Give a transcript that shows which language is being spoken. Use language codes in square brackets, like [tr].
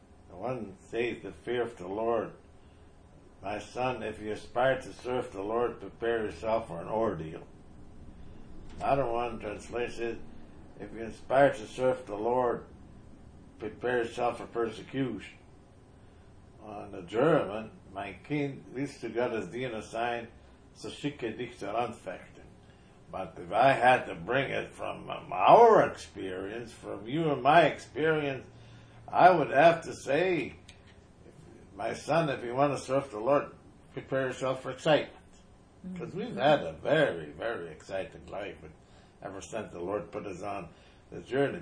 [en] The one says the fear of the Lord. My son, if you aspire to serve the Lord, prepare yourself for an ordeal. Another one translates it, if you aspire to serve the Lord, prepare yourself for persecution. On the German, [de] mein Kind, willst du Gottes Diener sein, so schicke dich zur Anfechtung. [en] But if I had to bring it from our experience, from you and my experience, I would have to say, my son, if you want to serve the Lord, prepare yourself for excitement. Because we've had a very, very exciting life ever since the Lord put us on the journey.